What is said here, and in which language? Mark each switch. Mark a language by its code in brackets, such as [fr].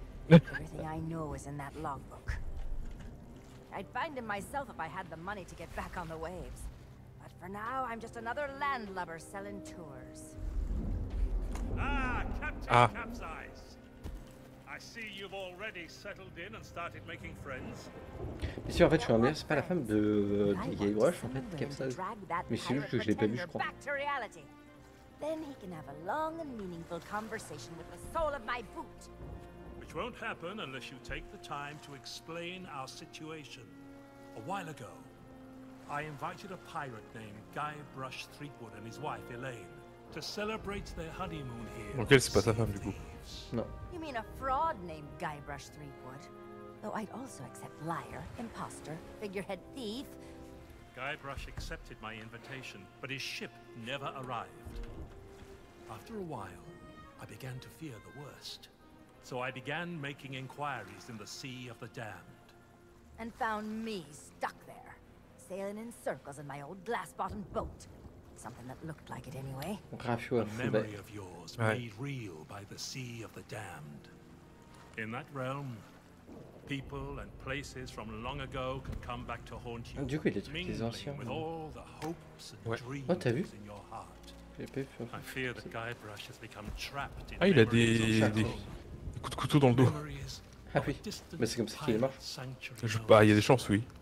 [en] I'd find him myself if I had the money to get back on the waves. But for now, I'm just another landlubber selling tours. Ah, Captain Ah. Capsize. I see you've already settled in and started making friends. [fr] Mais si en fait je suis un meilleur, c'est pas la femme de Guy Rush en fait, Capsule. Mais c'est juste que je l'ai pas vu, je crois. [en] Then he can have a long and meaningful conversation with the sole of my boot. Which won't happen unless you take the time to explain our situation. A while ago, I invited a pirate named Guybrush Threepwood and his wife Elaine to celebrate their honeymoon here. [fr] Donc elle, c'est pas sa femme du coup. Non. [en] You mean a fraud named Guybrush Threepwood? Though I'd also accept liar, imposter, figurehead thief. Guybrush accepted my invitation, but his ship never arrived. After a while, I began to fear the worst. So I began making inquiries in the Sea of the Damned. And found me stuck there, sailing in circles in my old glass-bottomed boat. Something that looked like it anyway. A memory of yours made real by the Sea of the Damned. In that realm, people and places from long ago can come back to haunt you. [fr] Du coup, il y a des trucs des anciens. [en] With all the hopes and [fr] ouais. [en] Dreams [fr] oh, t'as vu [en] in your heart. I fear that Guybrush has become trapped in. [fr] Ah, il a des coups de couteau dans le dos. Ah oui, mais c'est comme ça qu'il est mort. Je pas, il y a des chances, oui.